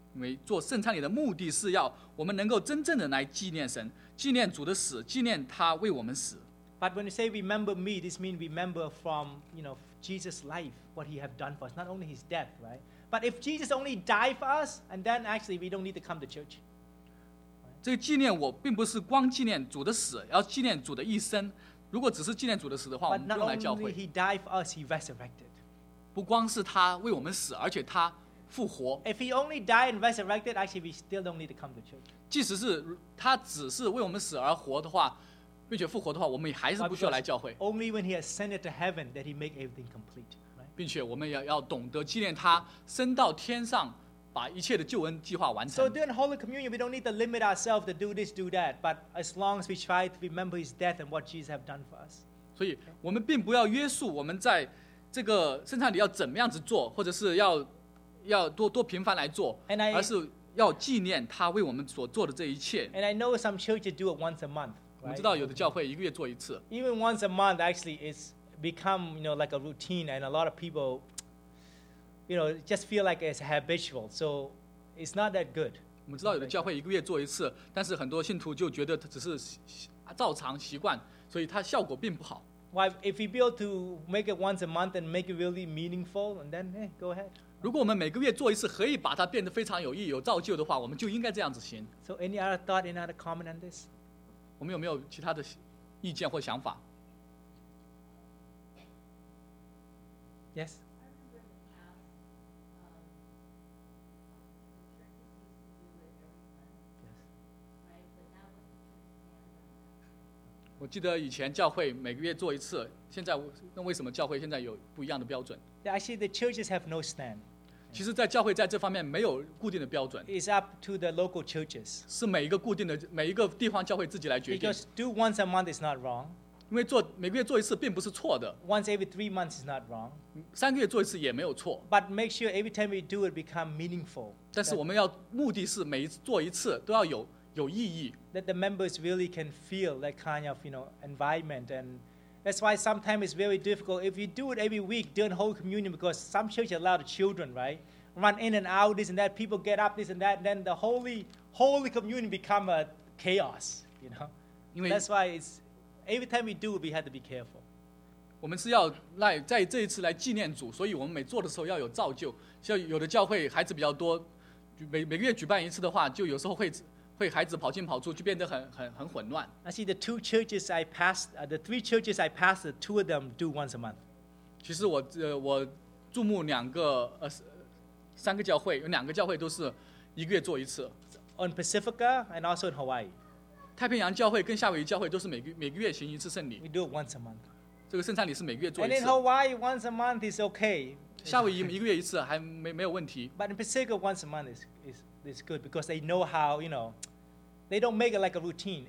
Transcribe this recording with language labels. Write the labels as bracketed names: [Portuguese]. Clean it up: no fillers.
[Chinese] 因为做圣餐礼的目的是要我们能够真正的来纪念神，纪念主的死，纪念他为我们死。 [English] But when you say remember me, this means remember from, you know, Jesus' life, what he have done for us, not only his death, right? But if Jesus only died for us, and then actually we don't need to come to church. [Chinese] 这个纪念我并不是光纪念主的死，要纪念主的一生。如果只是纪念主的死的话，我们不用来教会。 [English] But not only he died for us, he resurrected. [Chinese] 不光是他为我们死，而且他复活。 [English] If he only died and resurrected, actually we still don't need to come to church. [Chinese] 即使是他只是为我们死而活的话。并且复活的话，我们也还是不需要来教会。 [English] Only when he ascended to heaven that he make everything complete. [Chinese] 并且我们也要懂得纪念他升到天上，把一切的救恩计划完成。 [English] So during Holy Communion, we don't need to limit ourselves to do this, do that, but as long as we try to remember his death and what Jesus have done for us. [Chinese] 所以我们并不要约束我们在这个圣餐里要怎么样子做，或者是要多频繁来做，而是要纪念他为我们所做的这一切。 [English] And I know some churches do it once a month. [Chinese] 我知道有的教会一个月做一次。 [English] Even once a month, actually, it's become, you know, like a routine, and a lot of people, you know, just feel like it's habitual. So it's not that good. [Chinese] 我们知道有的教会一个月做一次，但是很多信徒就觉得只是照常习惯，所以它效果并不好。 [English] Why, if we build to make it once a month and make it really meaningful, and then hey, go ahead. [Chinese] 如果我们每个月做一次，可以把它变得非常有意义、有造就的话，我们就应该这样子行。 [English] So any other thought, any other comment on this? [Chinese] 我们有没有其他的意见或想法 [English] ？Yes. Yes. [Chinese] 我记得以前教会每个月做一次，现在那为什么教会现在有不一样的标准 [English] ？Actually, the churches have no stand. [Chinese] 其实在教会在这方面没有固定的标准。 [English] It's up to the local churches. [Chinese] 是每一个固定的每一个地方教会自己来决定。 [English] Because do once a month is not wrong. [Chinese] 因为做每个月做一次并不是错的。 [English] Once every 3 months is not wrong. [Chinese] 三个月做一次也没有错。 [English] But make sure every time we do it become meaningful. [Chinese] 但是我们要目的是每一次做一次都要有意义。 [English] That the members really can feel that kind of, you know, environment and. That's why sometimes it's very difficult. If you do it every week during Holy Communion, because some churches allow the children, right? Run in and out, this and that. People get up, this and that. And then the Holy Communion become a chaos, you know? That's why it's, every time we do it, we have to be careful. [Chinese] 我们是要来在这一次来纪念主，所以我们每做的时候要有造就。像有的教会孩子比较多，每个月举办一次的话，就有时候会孩子跑进跑出，就变得很混乱。 [English] I see the two churches I passed, the three churches I passed, two of them do once a month. [Chinese] 其实我注目两个三个教会，有两个教会都是一个月做一次。 [English] On Pacifica and also in Hawaii. [Chinese] 太平洋教会跟夏威夷教会都是每个月行一次圣礼。 [English] We do it once a month. [Chinese] 这个圣餐礼是每个月做一次。 [English] And in Hawaii, once a month is okay. [Chinese] 夏威夷一个月一次还没有问题。 [English] But in Pacifica, once a month is good because they know how, you know, they don't make it like a routine.